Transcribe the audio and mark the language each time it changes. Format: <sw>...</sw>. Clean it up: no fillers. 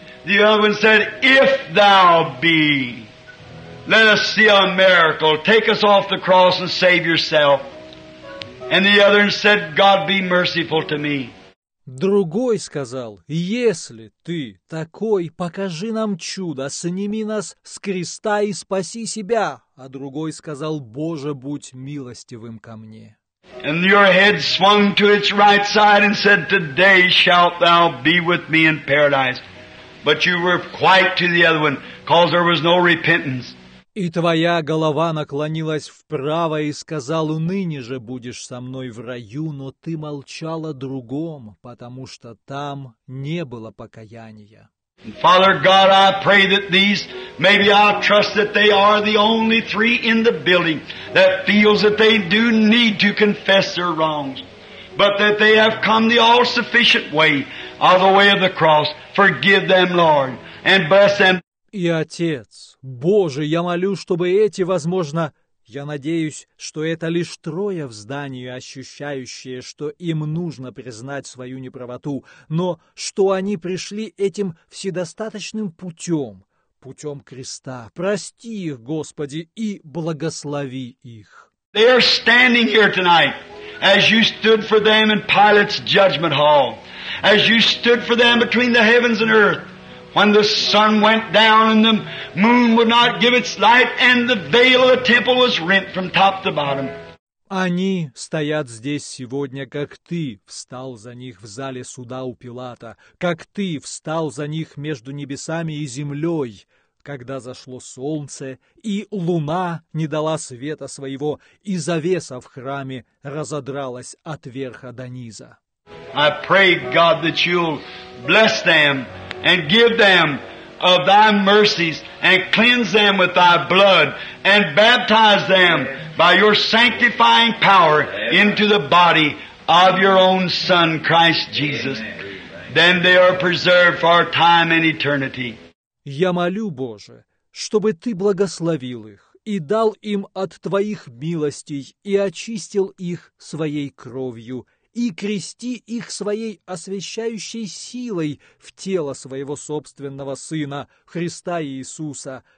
<en>The other one said, if thou be, let us see a miracle, take us off the cross and save yourself. And the other said, God be merciful to me.</en> <ru>Другой сказал: «Если ты такой, покажи нам чудо, сними нас с креста и спаси себя». А другой сказал: «Боже, будь милостивым ко мне».</ru> <en>And your head swung to its right side and said, today shalt thou be with me in paradise. But you were quiet to the other one, because there was no repentance.</en> <ru>И твоя голова наклонилась вправо и сказал: ныне же будешь со мной в раю, но ты молчал о другом, потому что там не было покаяния.</ru> <en>Father God, I pray that these, maybe I trust that they are the only three in the building that feels that they do need to confess their wrongs, but that they have come the all-sufficient way of the way of the cross. Forgive them, Lord, and bless them.</en> <ru>И Отец, Боже, я молю, чтобы эти, возможно, я надеюсь, что это лишь трое в здании, ощущающие, что им нужно признать свою неправоту, но что они пришли этим вседостаточным путем, путем креста. Прости их, Господи, и благослови их.</ru> <en>They are standing here tonight, as you stood for them in Pilate's judgment hall, as you stood for them between the heavens and earth. When the sun went down and the moon would not give its light, and the veil of the temple was rent from top to bottom.</en> <ru>Они стоят здесь сегодня, как ты встал за них в зале суда у Пилата, как ты встал за них между небесами и землей, когда зашло солнце, и луна не дала света своего, и завеса в храме разодралась от верха до низа.</ru> <en>I pray, God, that you'll bless them and give them of thy mercies, and cleanse them with thy blood, and baptize them by your sanctifying power into the body of your own Son, Christ Jesus. Then they are preserved for time and eternity.</en> <ru>Я молю, Боже, чтобы Ты благословил их и дал им от Твоих милостей и очистил их Своей кровью, и крести их своей освящающей силой в тело своего собственного Сына, Христа Иисуса.</ru>